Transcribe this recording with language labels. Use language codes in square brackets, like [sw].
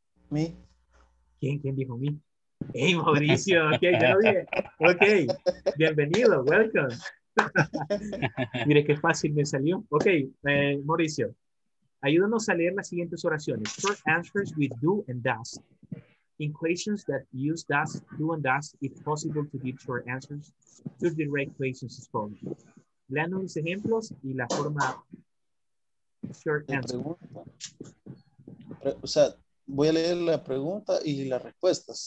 [en] Me. [es] ¿Quién dijo me? Hey, Mauricio, ok, bienvenido, welcome. Mire qué fácil me salió. Ok, Mauricio, ayúdanos a leer las siguientes oraciones. [en] Short answers with do and does. In questions that use does, do and does, it's possible to give short answers to direct questions as follows. [es] Leanos los ejemplos y la forma short answer. O sea, voy a leer la pregunta y las respuestas.